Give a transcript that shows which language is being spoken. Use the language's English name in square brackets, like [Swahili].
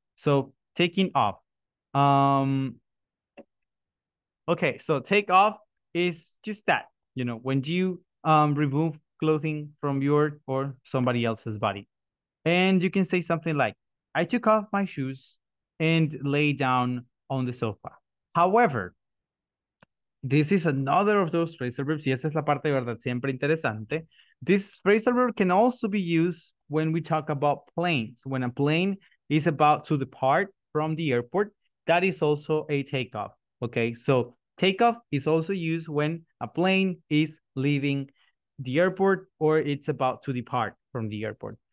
[English] So taking off. Okay, so take off is just that, you know, when you remove clothing from your or somebody else's body. And you can say something like, I took off my shoes and lay down on the sofa. However, this is another of those phrasal verbs. [Spanish] Y esa es la parte de verdad siempre interesante. [English] This phrasal verb can also be used when we talk about planes. When a plane is about to depart from the airport, that is also a takeoff. Okay, so takeoff is also used when a plane is leaving the airport or it's about to depart from the airport.